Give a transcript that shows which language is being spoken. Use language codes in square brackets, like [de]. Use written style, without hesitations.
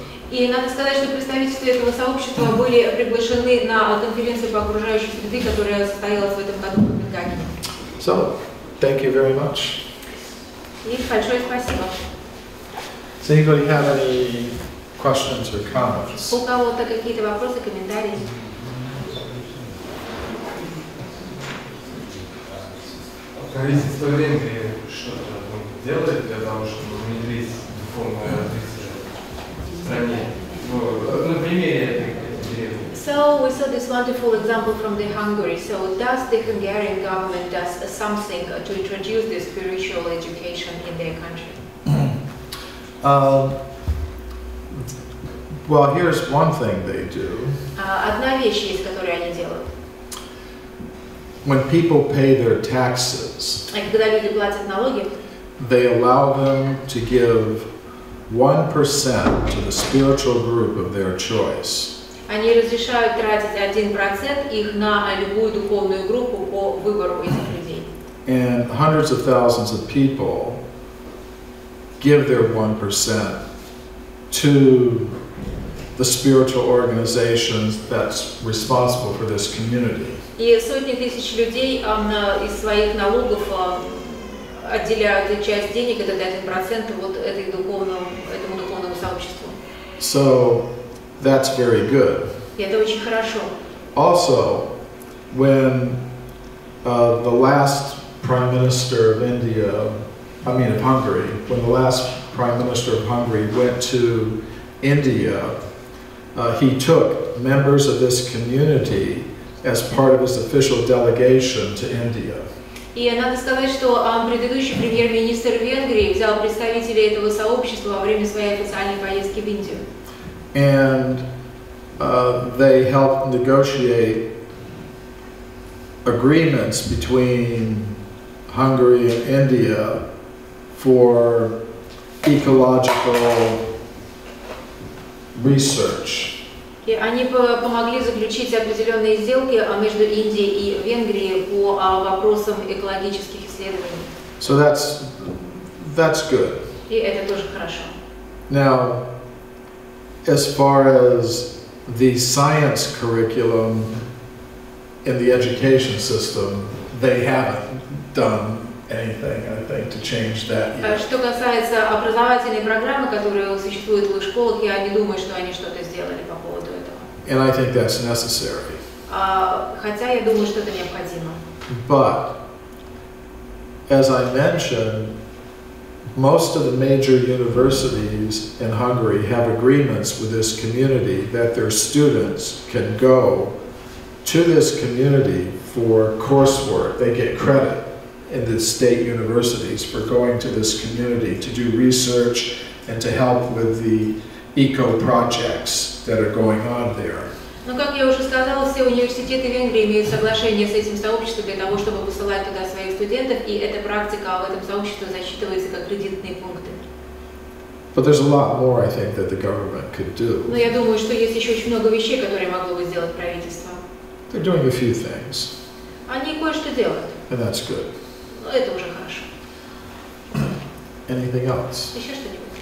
[ru] И надо сказать, что представители этого сообщества были приглашены на конференцию по окружающей среде, которая состоялась в этом году в Копенгагене. [en] So, thank you very much. [ru] И большое спасибо. [en] So anybody have any questions or comments? [ru] У кого-то какие-то вопросы, комментарии? Правительство Венгрии что-то будет делать для того, чтобы внедрить духовное развитие в стране? На примере [en] So we saw this wonderful example from the Hungary. So does the Hungarian government does something to introduce the spiritual education in their country? Well, here's one thing they do. [ru] Одна вещь есть, которую они делают. [en] When people pay their taxes, [ru] когда люди платят налоги, [en] they allow them to give 1% to the spiritual group of their choice. [ru] Они разрешают тратить 1% их на любую духовную группу по выбору этих людей. [en] And hundreds of thousands of people give their 1% to the spiritual organizations that's responsible for this community. [ru] И сотни тысяч людей из своих налогов отделяют часть денег, это 1% вот этому духовному сообществу. [en] So, that's very good. [ru] Это очень хорошо. [en] Also, when the last Prime Minister of India, of Hungary, when the last Prime Minister of Hungary went to India, he took members of this community as part of his official delegation to India. [ru] И надо сказать, что предыдущий премьер-министр Венгрии взял представителей этого сообщества во время своей официальной поездки в Индию. [en] And they helped negotiate agreements between Hungary and India for ecological research. [ru] И они помогли заключить определенные сделки между Индией и Венгрией по вопросам экологических исследований. [en] So that's good. [ru] И это тоже хорошо. [en] Now, as far as the science curriculum in the education system, they haven't done anything, I think, to change that yet. [ru] Что касается образовательной программы, которая существует в школах, я не думаю, что они что-то сделали по поводу этого. [en] And I think that's necessary. [ru] Хотя я думаю, что это необходимо. [en] But, as I mentioned, most of the major universities in Hungary have agreements with this community that their students can go to this community for coursework. They get credit in the state universities for going to this community to do research and to help with the eco-projects that are going on there. [ru] Ну, как я уже сказала, все университеты Венгрии имеют соглашение с этим сообществом для того, чтобы посылать туда своих студентов, и эта практика в этом сообществе засчитывается как кредитные пункты. [en] But there's a lot more, I think, that the government could do. [ru] Но я думаю, что есть еще очень много вещей, которые могло бы сделать правительство. [en] They're doing a few things. [ru] Они кое-что делают. [en] And that's good. [ru] Но это уже хорошо. [en] Anything else? [ru] Еще что-нибудь?